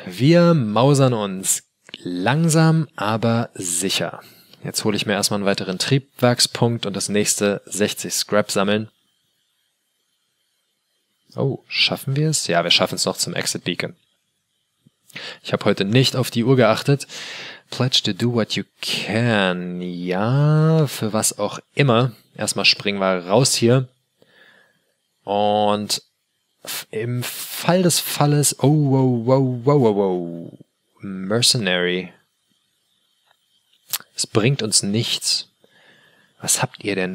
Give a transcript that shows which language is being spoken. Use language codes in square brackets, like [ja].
[de] Wir mausern uns. Langsam, aber sicher. Jetzt hole ich mir erstmal einen weiteren Triebwerkspunkt und das nächste 60 Scrap sammeln. Oh, schaffen wir es? Ja, wir schaffen es noch zum Exit Beacon. Ich habe heute nicht auf die Uhr geachtet. [en] Pledge to do what you can. [de] Ja, für was auch immer. Erstmal springen wir raus hier. Und im Fall des Falles... Oh, wow, wow, wow, wow, wow. Mercenary. Es bringt uns nichts. Was habt ihr denn?